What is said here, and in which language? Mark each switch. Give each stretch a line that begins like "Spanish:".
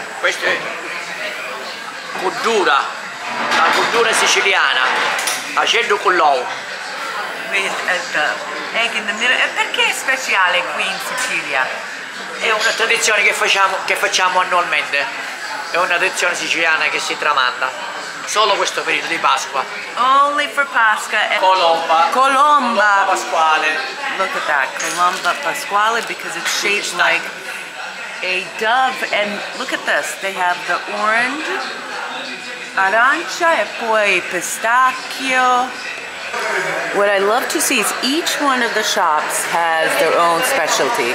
Italian: Questo è cuddura, la cuddura siciliana. Facendo con l'uovo.
English: With the egg in the middle.
Italian: E perché è speciale qui in Sicilia? È una tradizione che facciamo annualmente. È una tradizione siciliana che si tramanda. Solo questo periodo di Pasqua.
English: Only for Pasqua.
Italian: Colomba Pasquale.
English: Look at that, Colomba Pasquale, because it's shaped like a dove. And look at this, they have the orange,
Italian: arancia, e poi pistacchio.
English: What I love to see is each one of the shops has their own specialty.